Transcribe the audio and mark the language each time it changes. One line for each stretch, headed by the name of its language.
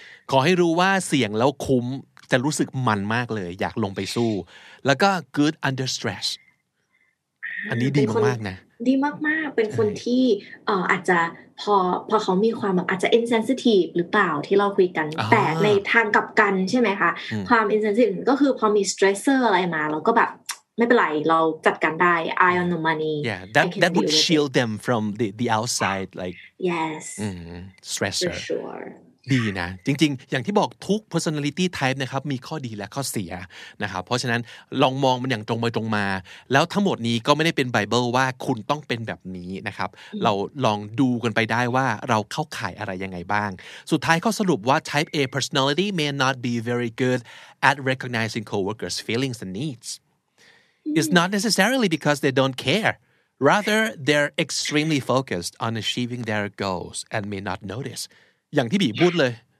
Thai: ขอให้รู้ว่าเสี่ยงแล้วคุ้มจะรู้สึกมันมากเลยอยากลงไปสู้แล้วก็
English: good under stress
Thai: อันนี้ดีมากๆนะ ดีมากๆเป็นคนที่อาจจะพอเขามีความแบบอาจจะ insensitive หรือเปล่าที่เราคุยกันแต่ในทางกลับกันใช่ไหมคะความ insensitive ก็คือพอมี stressor อะไรมาเราก็แบบไม่เป็นไรเราจัดการได้
English: eye on the money yeah that would shield them from the outside like yes stressor for sure
Thai: ดีนะจริงๆอย่างที่บอกทุก personality type นะครับมีข้อดีและข้อเสียนะครับเพราะฉะนั้นลองมองมันอย่างตรงไปตรงมา แล้วทั้งหมดนี้ก็ไม่ได้เป็นไบเบิลว่าคุณต้องเป็นแบบนี้นะครับเราลองดูกันไปได้ว่าเราเข้าข่ายอะไรยังไงบ้างสุดท้ายก็สรุปว่า
English: type A personality may not be very good at recognizing coworkers' feelings and needs it's not necessarily because they don't care rather they're extremely focused on achieving their goals and may not notice
Thai: อย่างที่บีพูดเลย